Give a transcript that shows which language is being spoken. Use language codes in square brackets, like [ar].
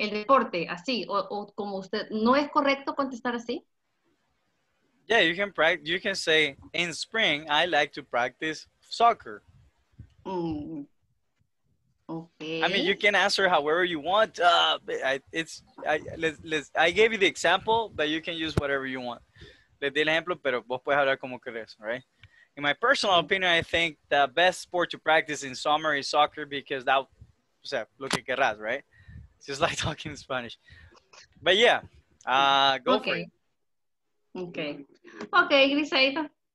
[es] El deporte, así, o como usted, ¿no es correcto contestar así? [en] Yeah, you can practice, you can say, in spring, I like to practice soccer. Okay. I mean, you can answer however you want. I gave you the example, but you can use whatever you want. [es] Le di el ejemplo, pero vos puedes hablar como querés, right? [en] In my personal opinion, I think the best sport to practice in summer is soccer because that, [es] o sea, lo que querrás, [en] right? It's just like talking Spanish. But yeah, go okay. For it. Okay. Okay, Griseida.